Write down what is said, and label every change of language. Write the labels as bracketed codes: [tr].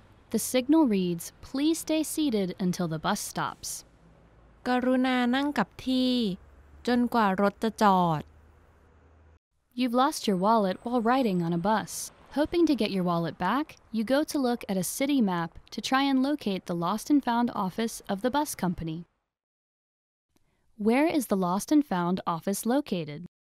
[en] The signal reads, "Please stay seated until the bus stops." [th] กรุณานั่งกับที่จนกว่ารถจะจอด [en] You've lost your wallet while riding on a bus. Hoping to get your wallet back, you go to look at a city map to try and locate the lost and found office of the bus company. Where is the lost and found office located?